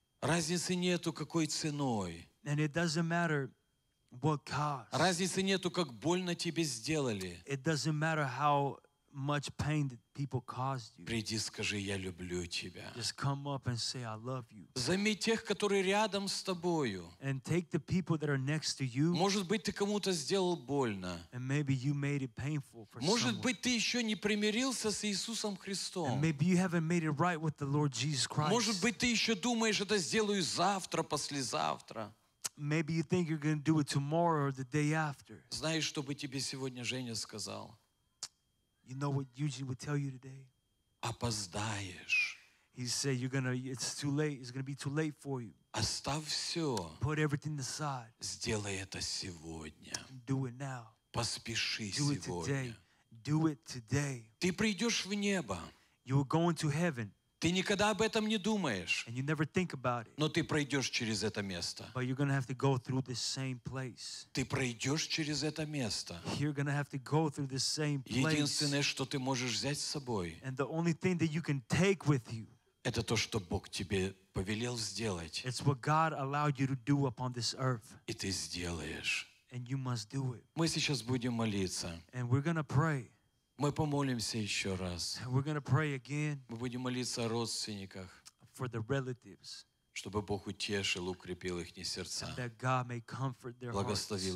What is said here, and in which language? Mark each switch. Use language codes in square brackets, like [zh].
[ru] Разницы нету, какой ценой. [en] And it doesn't matter what cost. [ru] Разницы нету, как больно тебе сделали. [en] It doesn't matter how much pain that people caused you. [ru] Приди, скажи, я люблю тебя. [en] Just come up and say, I love you. [ru] Заметь тех, которые рядом с тобою. [en] And take the people that are next to you. [ru] Может быть, ты кому-то сделал больно. [en] And maybe you made it painful for someone. [ru] Может быть, ты еще не примирился с Иисусом Христом. [en] And maybe you haven't made it right with the Lord Jesus Christ. [ru] Может быть, ты еще думаешь, это сделаю завтра, послезавтра. [en] Maybe you think you're going to do it tomorrow or the day after. [ru] Знаешь, что бы тебе сегодня Женя сказал? [en] You know what Eugene would tell you today? [ru] Опоздаешь. [en] He said you're gonna. It's too late. It's gonna be too late for you. [ru] Оставь все. [en] Put everything aside. [ru] Сделай это сегодня. [en] Do it now. [ru] Поспеши [en] Do it [ru] сегодня. [en] Today. Do it today. [ru] Ты придешь в небо. [en] You're going to heaven. [ru] Ты никогда об этом не думаешь. [en] And you never think about it. [ru] Но ты пройдешь через это место. [en] But you're gonna have to go through the same place. [ru] Ты пройдешь через это место. [en] You're gonna have to go through the same place. [ru] Единственное, что ты можешь взять с собой, [en] and the only thing that you can take with you, [ru] это то, что Бог тебе повелел сделать. [en] It's what God allowed you to do upon this earth. [ru] И ты сделаешь. [en] And you must do it. [ru] Мы сейчас будем молиться. [en] And we're gonna pray. [ru] Мы помолимся еще раз. [en] We're gonna pray again. [ru] Мы будем молиться о родственниках. [en] For the relatives. [ru] Чтобы Бог утешил, укрепил их сердца. [en] That God may comfort their [ru] благословил